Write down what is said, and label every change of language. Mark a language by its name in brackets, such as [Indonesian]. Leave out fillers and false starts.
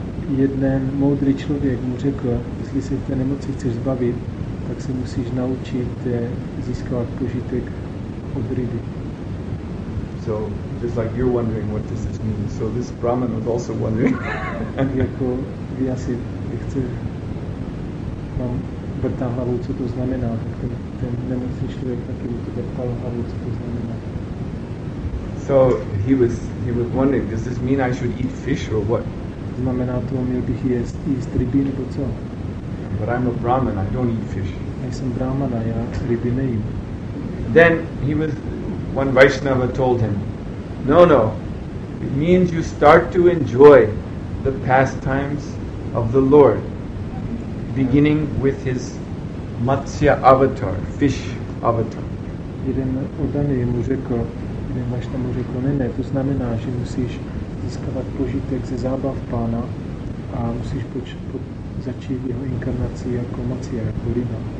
[Czech] Jeden moudrý člověk mu řekl, jestli se té nemoci chceš zbavit, tak se musíš naučit získávat požitek od ryby. [English] So just like you're wondering what does this mean, so this Brahman was also wondering. [Czech] Jako vy asi chci vám vrtá hlavu, co to znamená, tak ten nemocný člověk taky mu to vrtal hlavu, co to znamená. [English] So he was wondering, does this mean I should eat fish or what? [Czech] Znamená to, měl bych jíst ryby nebo co? [English] But I'm a Brahman, I don't eat fish. [Czech] Já jsem Brahman, já ryby nejím. [English] Then he was, one Vaishnava told him, no, it means you start to enjoy the pastimes of the Lord, beginning with his matsya avatar, fish avatar. [Czech] Jeden oddaný mu řekl, jeden Vaishnava mu řekl, ne, to znamená, že musíš získávat požitek ze zábav pána a musíš začít jeho inkarnaci jako matsya, jako ryba.